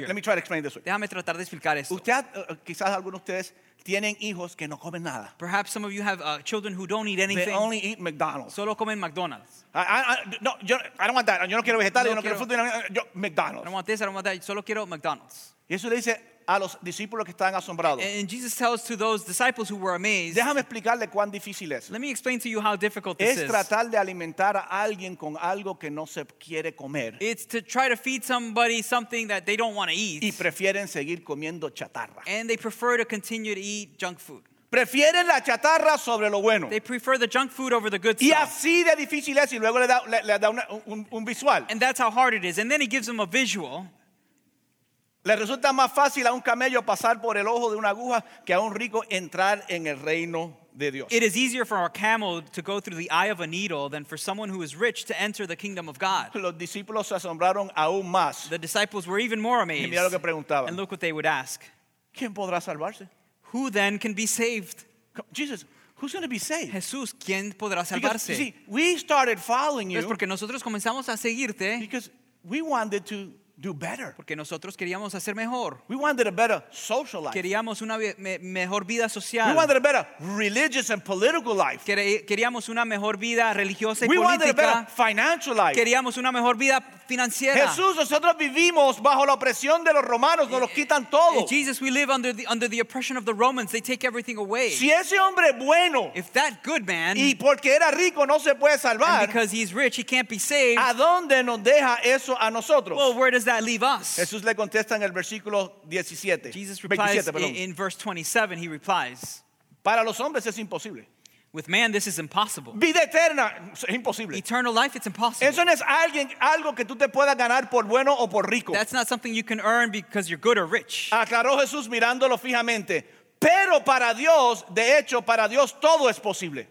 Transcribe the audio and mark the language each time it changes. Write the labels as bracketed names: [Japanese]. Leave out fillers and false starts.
[English] Let me try to explain this way. [Spanish] Déjame tratar de explicar esto. Quizás algunos de ustedes tienen hijos que no comen nada. [English] Perhaps some of you have children who don't eat anything. They only eat McDonald's. [Spanish] Solo comen McDonald's. [English] I don't want that. [Spanish] Yo no quiero vegetales, yo no quiero fruto, yo McDonald's. [English] I don't want this, I don't want that. [Spanish] Solo quiero McDonald's. Y eso le dice a los discípulos que están asombrados. [English] And Jesus tells to those disciples who were amazed. [Spanish] Déjame explicarle cuán difícil es. [English] Let me explain to you how difficult this is. [Spanish] Es tratar de alimentar a alguien con algo que no se quiere comer. [English] It's to try to feed somebody something that they don't want to eat. [Spanish] Y prefieren seguir comiendo chatarra. [English] And they prefer to continue to eat junk food. [Spanish] Prefieren la chatarra sobre lo bueno. [English] They prefer the junk food over the good stuff. [Spanish] Y así de difícil es y luego le da un visual. [English] And that's how hard it is. And then he gives them a visual. [Spanish] Le resulta más fácil a un camello pasar por el ojo de una aguja que a un rico entrar en el reino de Dios. [English] It is easier for a camel to go through the eye of a needle than for someone who is rich to enter the kingdom of God. [Spanish] Los discípulos se asombraron aún más. [English] The disciples were even more amazed. [Spanish] Y mira lo que preguntaban. [English] And look what they would ask. [Spanish] ¿Quién podrá salvarse? [English] Who then can be saved? Jesus, who's going to be saved? [Spanish] Jesús, ¿quién podrá salvarse? [English] Because, you see, we started following you. [Spanish] Pues porque nosotros comenzamos a seguirte. [English] Because we wanted to do better. [Spanish] Porque nosotros queríamos hacer mejor. [English] We wanted a better social life. [Spanish] Queríamos una mejor vida social. [English] We wanted a better religious and political life. [Spanish] Queríamos una mejor vida religiosa y [English] we [Spanish] política. [English] We wanted a better financial life. [Spanish] Queríamos una mejor vida financiera. Jesús, nosotros vivimos bajo la opresión de los romanos, nos lo quitan todo. [English] Jesus, we live under the oppression of the Romans. They take everything away. [Spanish] Si ese hombre bueno, [English] if that good man, [Spanish] y porque era rico no se puede salvar, [English] and because he's rich he can't be saved. [Spanish] ¿A dónde nos deja eso a nosotros? [English] Well, where does that leave us? [Spanish] Jesús le contesta en el versículo 17. [English] Jesus replies 27, in verse 27. He replies, [Spanish] para los hombres es imposible. [English] With man, this is impossible. [Spanish] Vida eterna, imposible. [English] Eternal life, it's impossible. [Spanish] Eso no es alguien, algo que tú te puedas ganar por bueno o por rico. [English] That's not something you can earn because you're good or rich. [Spanish] Aclaró Jesús mirándolo fijamente. Pero para Dios, de hecho, para Dios todo es posible.